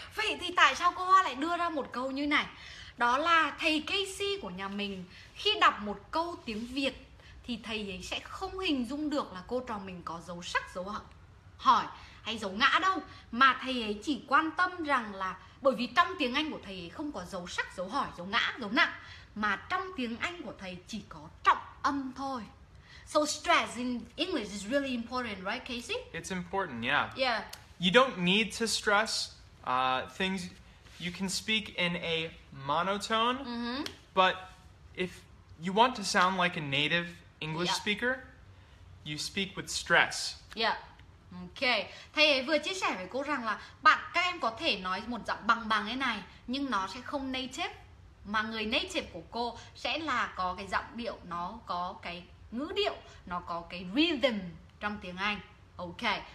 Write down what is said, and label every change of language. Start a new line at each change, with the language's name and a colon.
Vietnamese: Vậy thì tại sao cô Hoa lại đưa ra một câu như này? Đó là thầy Kasey của nhà mình khi đọc một câu tiếng Việt thì thầy ấy sẽ không hình dung được là cô trò mình có dấu sắc, dấu hỏi hay dấu ngã đâu. Mà thầy ấy chỉ quan tâm rằng là bởi vì trong tiếng Anh của thầy ấy không có dấu sắc, dấu hỏi, dấu ngã, dấu nặng. Mà trong tiếng Anh của thầy chỉ có trọng âm thôi.
English: So stress in English is really important, right Kasey? It's important, yeah. Yeah. You don't need to stress things. You can speak in a monotone, mm-hmm. but if you want to sound like a native English speaker, you speak with stress. Yeah. Okay.
Vietnamese: Thầy ấy vừa chia sẻ với cô rằng là bạn các em có thể nói một giọng bằng bằng thế này, nhưng nó sẽ không native. Mà người native của cô sẽ là có cái giọng điệu, nó có cái ngữ điệu, nó có cái rhythm trong tiếng Anh. Okay.